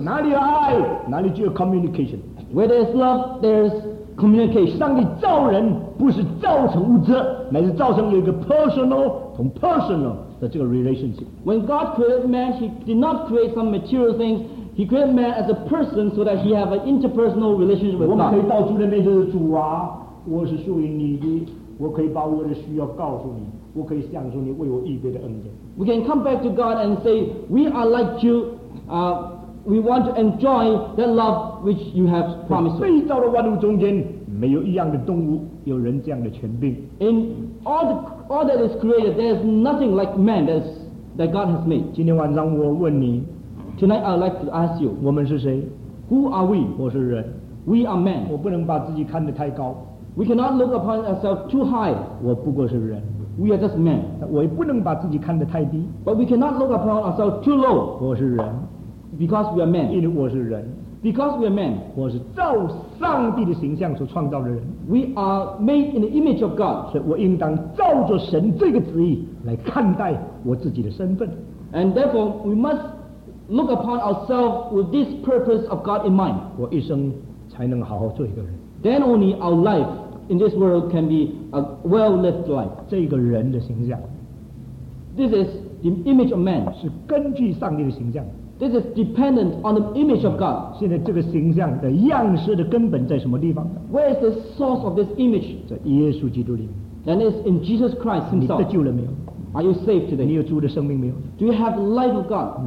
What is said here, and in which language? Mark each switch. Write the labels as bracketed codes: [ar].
[zh] 哪里有爱，哪里就有 communication. [en] Where there is love, there is communication. [zh] 上帝造人不是造成物质，乃是造成有一个 personal 同 personal 的这个 relationship. [en] When God created man, he did not create some material things. He created man as a person so that he have an interpersonal relationship with God. [zh] 我们可以到主的面前说，主啊，我是属于你的，我可以把我的需要告诉你，我可以享受你为我预备的恩典。 [en] We can come back to God and say, we are like you, we want to enjoy that love which you have promised. [zh] 被造的万物中间，没有一样的动物有人这样的权柄。 [en] In all that is created, there is nothing like man that God has made. [zh] 今天晚上我问你， [en] Tonight I'd like to ask you, [zh] 我们是谁？ [en] Who are we? [zh] 我是人。 [en] We are man. [zh] 我不能把自己看得太高。 [en] We cannot look upon ourselves too high. [zh] 我不过是人。 [en] We are just men. [zh] 我也不能把自己看得太低。 [en] But we cannot look upon ourselves too low. [zh] 我是人。 [en] Because we are men. [zh] 因为我是人。 [en] Because we are men. [zh] 我是照上帝的形象所创造的人。 [en] We are made in the image of God. [zh] 所以我应当照着神这个旨意来看待我自己的身份。 [en] And therefore, we must look upon ourselves with this purpose of God in mind. [zh] 我一生才能好好做一个人。 [en] Then only our life in this world can be a well-lived life. [zh] 这个人的形象。 [en] This is the image of man. [zh] 是根据上帝的形象。 [en] This is dependent on the image of God. [zh] 现在这个形象的样式的根本在什么地方？ [en] Where is the source of this image? [zh] 在耶稣基督里面。 [en] Then it's in Jesus Christ himself. [zh] 你得救了没有？ [en] Are you saved today? [zh] 你有主的生命没有？ [en] Do you have the life of God?